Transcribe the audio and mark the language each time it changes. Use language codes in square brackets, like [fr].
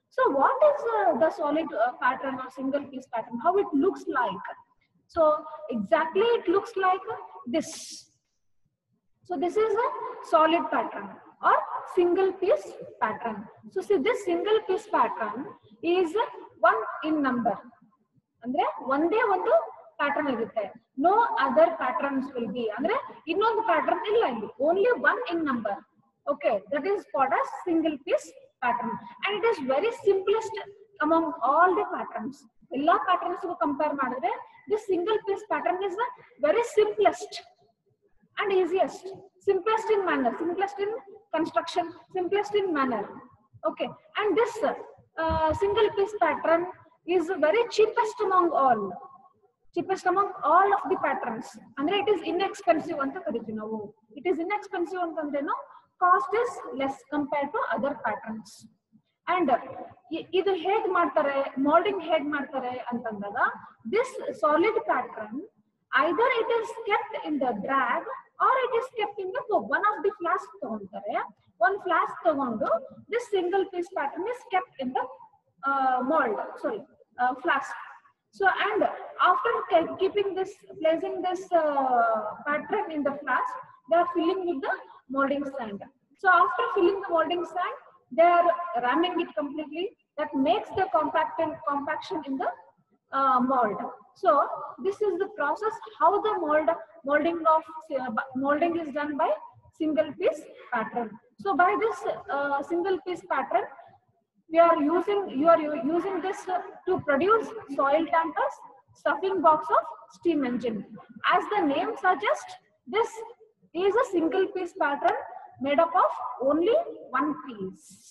[en] So what is the solid pattern or single piece pattern, how it looks like? So exactly it looks like this. So this is a solid pattern or single piece pattern. So see, this single piece pattern is one in number. [kn] ಅಂದ್ರೆ ಒಂದೇ ಒಂದು pattern ಇರುತ್ತೆ. [en] no other patterns will be, [kn] ಅಂದ್ರೆ ಇನ್ನೊಂದು pattern ಇಲ್ಲ ಇಲ್ಲಿ, [en] Only one in number. Okay, that is called a single piece pattern. And it is very simplest among all the patterns. [kn] ಎಲ್ಲಾ patterns compare ಮಾಡಿದ್ರೆ [en] This single piece pattern is the very simplest and easiest. Simplest in manner, simplest in construction, simplest in manner. Okay, and this single piece pattern is very cheapest among all, cheapest among all of the patterns. Andre it is inexpensive [kn] anta karithivi naavu. [en] It is inexpensive antandre no, cost is less compared to other patterns. And [kn] ಇದು ಹೇಗ್ ಮಾಡ್ತಾರೆ, moulding ಹೇಗ್ ಮಾಡ್ತಾರೆ ಅಂತಂದಾಗ, [en] This solid pattern either it is kept in the drag or it is kept in the cope. One of the flask ತಗೊಂತಾರೆ, one flask ತಗೊಂಡು this single piece pattern is kept in the mould, sorry flask. So and after keeping this placing this pattern in the flask they are filling with the moulding sand. So after filling the moulding sand they are ramming it completely, that makes the compaction in the mould. So this is the process how the mould moulding of moulding is done by single piece pattern. So by this single piece pattern you are using this to produce soil tankers, stuffing box of steam engine. As the name suggests, this is a single piece pattern made up of only one piece.